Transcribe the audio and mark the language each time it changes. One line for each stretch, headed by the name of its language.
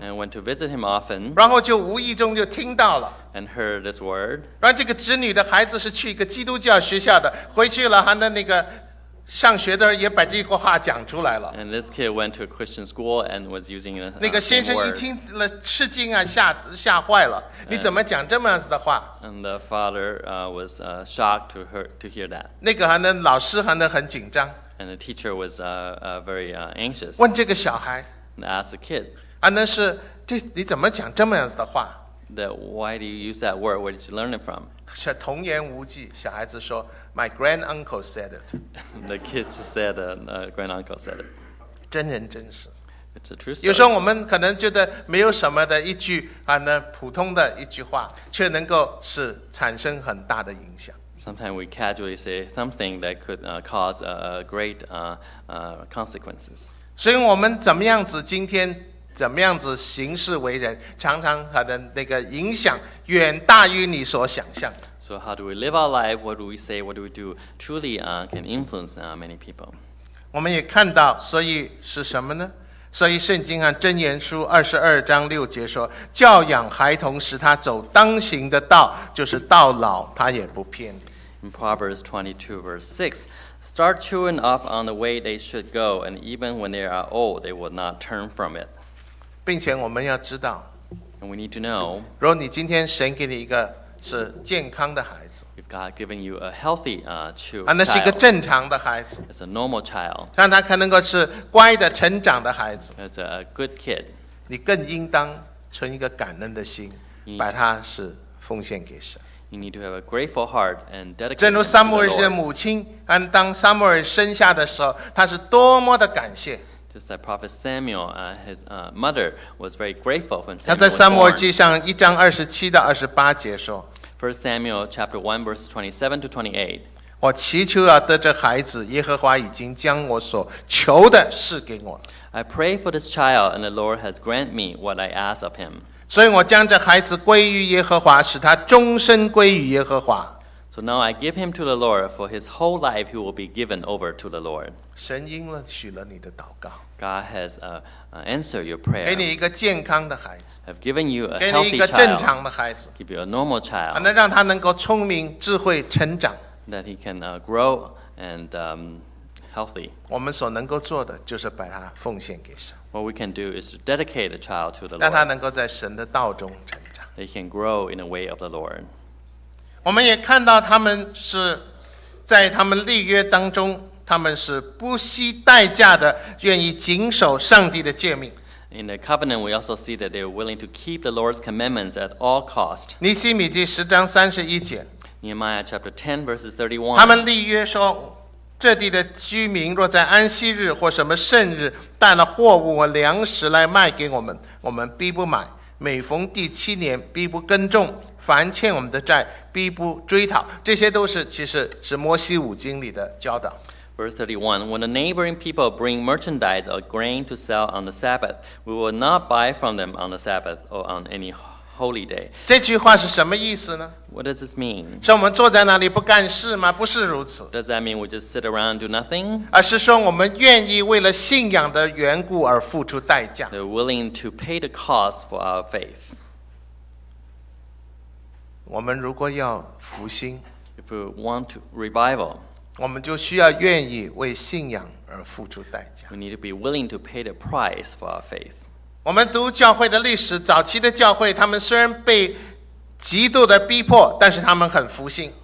English: And went to visit him often.
Chinese: 然后就无意中就听到了。
English: And heard this word.
Chinese: 然后这个侄女的孩子是去一个基督教学校的，回去了上学的也把这个话讲出来了。
English: And this kid went to a Christian school and was using the
Chinese: 那个先生一听了，吃惊啊，吓坏了。你怎么讲这么样子的话
English: ？And the father was shocked to hear that.
Chinese: 那个还能老师还能很紧张。
English: And the teacher was very anxious.
Chinese: 问这个小孩
English: ，asked the kid.
Chinese: 那是这你怎么讲这么样子的话？
English: That why do you use that word? Where did you learn it from?
Chinese: 是童言无忌，小孩子说 ，
English: My grand uncle said it. The kids said, grand uncle said it.
Chinese: 真人真事。
English: It's a true story.
Chinese: 有时候我们可能觉得没有什么的一句啊，那普通的一句话，却能够是产生很大的影响。
English: Sometimes we casually say something that could cause great consequences.
Chinese: 所以我们怎么样子今天怎么样子行事为人，常常可能那个影响远大于你所想象。
English: So how do we live our life? What do we say? What do we do? Truly, can influence many people.
Chinese: 我们也看到，所以是什么呢？所以圣经上箴言书22:6说，教养孩童，使他走当行的道，就是到老他也不偏离。
English: In Proverbs 22:6, start children off on the way they should go, and even when they are old, they will not turn from it.
Chinese: 并且我们要知道，
English: and we need to know,
Chinese: 如果你今天神给你一个是健康的孩子，
English: if God given you a healthy child,
Chinese: 那是一个正常的孩子，
English: it's a normal child,
Chinese: 让他可能够是乖的成长的孩子，
English: it's a good kid,
Chinese: 你更应当存一个感恩的心，
English: you,
Chinese: 把他是奉献给神。
English: You need to have a grateful heart and dedicate.
Chinese: 正如撒母耳的母亲，当撒母耳生下的时候，他是多么的感谢。
English: Just like Prophet Samuel, his mother was very grateful when Samuel was born.
Chinese: 他在撒母耳记上1:27-28说，
English: First Samuel chapter 1:27-28.
Chinese: 我祈求要得这孩子，耶和华已经将我所求的赐给我。
English: I pray for this child, and the Lord has granted me what I ask of him.
Chinese: 所以我将这孩子归于耶和华，使他终身归于耶和华。
English: So now I give him to the Lord. For his whole life, he will be given over to the Lord.
Chinese: 神应了许了你的祷告。
English: God has answered your prayer.
Chinese: 给你一个健康的孩子。
English: Have given you a healthy
Chinese: child. 给你一个正常的孩子。
English: Give you a normal child.
Chinese: 能让他能够聪明、智慧、成长。
English: That he can grow and healthy.
Chinese: 我们所能够做的就是把他奉献给神。
English: What we can do is dedicate a child to the Lord.
Chinese: 让他能够在神的道中成长。
English: He can grow in the way of the Lord.
Chinese: 我们也看到他们是在他们立约当中，他们是不惜代价的愿意谨守上帝的诫命。
English: In the covenant, we also see that they are willing to keep the Lord's commandments at all cost.
Chinese: 尼希米记10:31
English: Nehemiah chapter 10:31.
Chinese: 他们立约说，这地的居民若在安息日或什么圣日带了货物和粮食来卖给我们，我们必不买。每逢第七年，必不耕种。凡欠我们的债，必不追讨。这些都是其实是摩西五经里的教导。
English: Verse 31, when the neighboring people bring merchandise or grain to sell on the Sabbath, we will not buy from them on the Sabbath or on any holy day.
Chinese: 这句话是什么意思呢？
English: What does this mean?
Chinese: 是我们坐在那里不干事吗？不是如此。
English: Does that mean we just sit around and do nothing?
Chinese: 而是说我们愿意为了信仰的缘故而付出代价。
English: They're willing to pay the cost for our faith.
Chinese: 我们如果要复兴，
English: if we want to revival,
Chinese: 我们就需要愿意为信仰而付出代价。
English: We need to be willing to pay the price for our faith.
Chinese: 我们读教会的历史，早期的教会，他们虽然被极度的逼迫，但是他们很复兴。